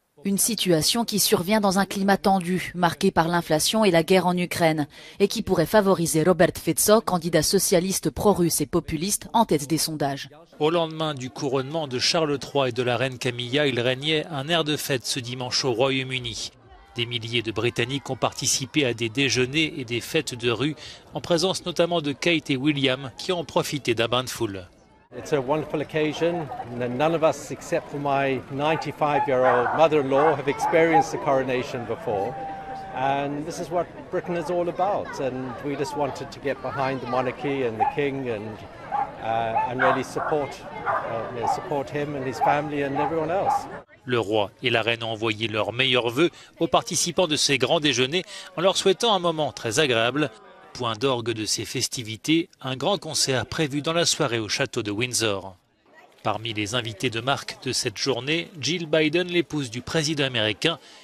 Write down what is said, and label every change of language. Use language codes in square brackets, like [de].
[fr] Une situation qui survient dans un climat tendu, marqué par l'inflation et la guerre en Ukraine, et qui pourrait favoriser Robert Fico, candidat socialiste pro-russe et populiste, en tête des sondages. Au lendemain du couronnement de Charles III et de la reine Camilla, il régnait un air de fête ce dimanche au Royaume-Uni. Des milliers de Britanniques ont participé à des déjeuners et des fêtes de rue, en présence notamment de Kate et William, qui ont profité d'un bain de foule. [en] It's a wonderful occasion that none of us except for my 95-year-old mother-in-law have experienced the coronation before. And this is what Britain is all about. And we just wanted to get behind the monarchy and the king and really support him and his family and everyone else. [fr] Le roi et la reine ont envoyé leurs meilleurs vœux aux participants de ces grands déjeuners en leur souhaitant un moment très agréable. Point d'orgue de ces festivités, un grand concert prévu dans la soirée au château de Windsor. Parmi les invités de marque de cette journée, Jill Biden, l'épouse du président américain.